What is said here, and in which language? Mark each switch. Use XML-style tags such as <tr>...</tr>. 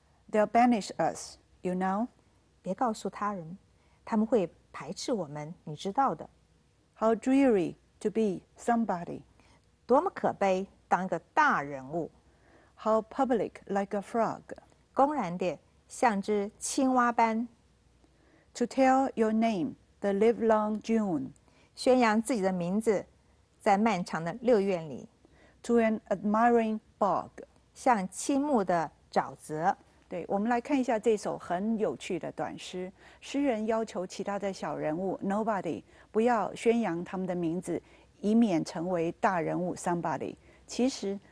<en>They'll banish us, you know.</en> <zh>别告诉他人，他们会排斥我们，你知道的。</zh> <en>How dreary to be somebody.</en> <zh>多么可悲，当个大人物。</zh> <en>How public like a frog.</en> <zh>公然的，像只青蛙般。</zh> <en>To tell your name, the livelong June.</en> <zh>宣扬自己的名字，在漫长的六月里。</zh> <en>To an admiring bog.</en> <zh>像倾慕的沼泽。对，我们来看一下这首很有趣的短诗。诗人要求其他的小人物 nobody 不要宣扬他们的名字，以免成为大人物 somebody。其实</zh>